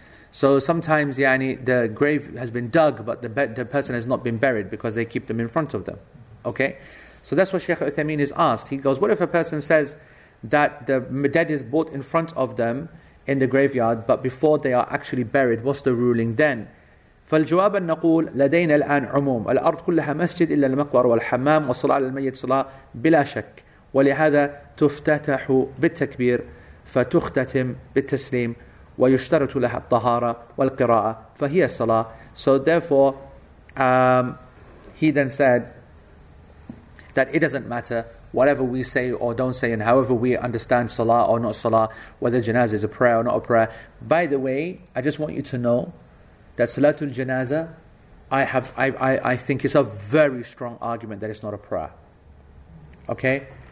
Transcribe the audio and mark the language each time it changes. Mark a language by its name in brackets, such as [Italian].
[English] So sometimes, yani, the grave has been dug, but the person has not been buried because they keep them in front of them. Okay? So that's what Sheikh Uthaymeen is asked. He goes, what if a person says that the dead is brought in front of them in the graveyard, but before they are actually buried, what's the ruling then? [Arabic] فالجواب أن نقول لدينا الآن عموم الأرض كلها مسجد إلا المقبرة والحمام والصلاة على الميت صلاة بلا شك ولهذا تفتتح بالتكبير فتختتم بالتسليم ويشترط لها الطهارة والقراءة فهي صلاة. [English] So therefore, he then said that it doesn't matter whatever we say or don't say, and however we understand salah or not salah, whether janazah is a prayer or not a prayer. By the way, I just want you to know that salatul janazah, I think it's a very strong argument that it's not a prayer. Okay?